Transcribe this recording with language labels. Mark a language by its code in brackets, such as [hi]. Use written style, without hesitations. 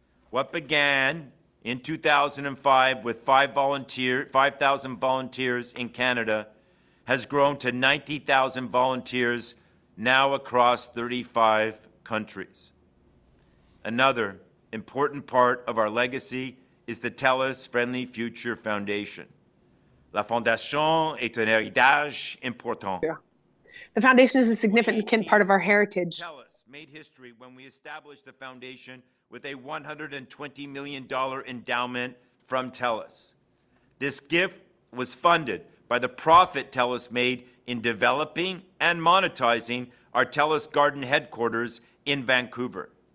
[en] What began in 2005 with 5,000 volunteers in Canada has grown to 90,000 volunteers now across 35 countries. Another important part of our legacy is the TELUS Friendly Future Foundation. [fr] La Fondation est un héritage important. [en] Yeah. The foundation is a significant part of our heritage. TELUS made history when we established the foundation with a $120 million endowment from TELUS. This gift was funded by the profit TELUS made in developing and monetizing our TELUS Garden headquarters in Vancouver.